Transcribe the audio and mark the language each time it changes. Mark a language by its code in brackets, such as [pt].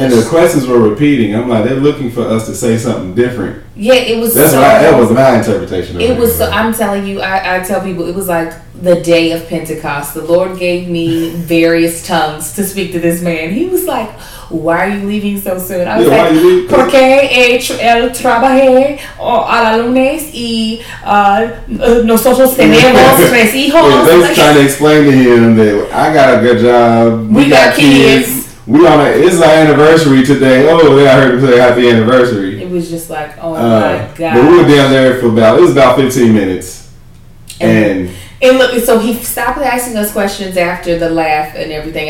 [en] And the questions were repeating. I'm like, they're looking for us to say something different. Yeah, it was That was my interpretation of it. I'm telling you, I tell people, it was like, the day of Pentecost, the Lord gave me various tongues to speak to this man. He was like, why are you leaving so soon? [es] I was like, porque el trabajé a la lunes y nosotros tenemos tres hijos. [en] Yeah, they was trying to explain to him that I got a good job. We got kids. It's our anniversary today. Oh, yeah, I heard him say happy anniversary. It was just like, oh my God. But we were down there for about 15 minutes. And look, so he stopped asking us questions after the laugh and everything.